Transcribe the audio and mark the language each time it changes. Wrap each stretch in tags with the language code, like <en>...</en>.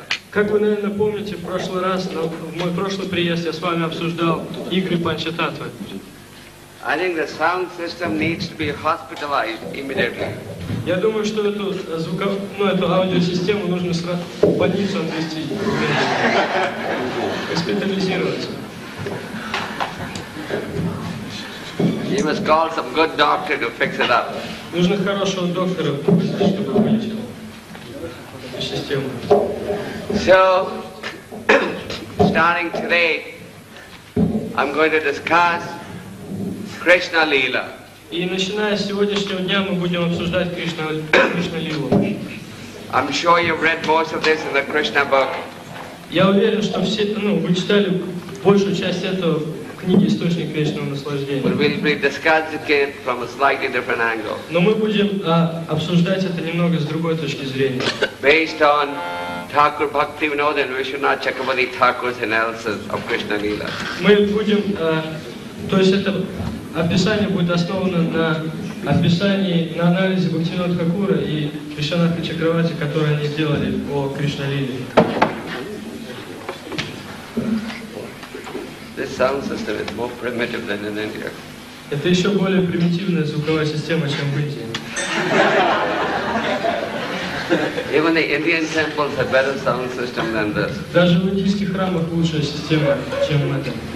<ru>Как вы, наверное, помните, в прошлый раз, в мой прошлый приезд, я с вами обсуждал игры Панчататвы.</ru> <en>I think the sound system needs to be hospitalized immediately.</en> <ru>Я думаю, что эту эту аудиосистему нужно сразу в больницу отвезти. Госпитализировать.</ru> <en>You must call some good doctor to fix it up.</en> <ru>Нужно хорошего доктора, чтобы вылечил эту систему.</ru> <en>So, starting today, I'm going to discuss Krishna Lila.</en> <ru>И начиная с сегодняшнего дня мы будем обсуждать Кришна Лилу.</ru> <en>I'm sure you've read most of this in the Krishna book.</en> <ru>Я уверен, что все, вы читали большую часть этого в книге «Источник вечного наслаждения».</ru> <en>But we'll be discussing it from a slightly different angle.</en> <ru>Но мы будем обсуждать это немного с другой точки зрения.</ru> <en>Based on Thakur Bhakti Vinod and Vishwanath Chakravarti Thakur's analysis of Krishna Lila.</en> <ru>Мы будем, то есть это описание будет основано на описании, на анализе Бхактивинода Тхакура и Вишванатха Чакравати, которые они сделали о Кришна Лиле.</ru> <en>This sound system is more primitive than in India.</en> <ru>Это еще более примитивная звуковая система, чем в Индии.</ru> <en>Even the Indian temples have better sound system than this.</en> <ru>Даже в индийских храмах лучшая система, чем в этом.</ru>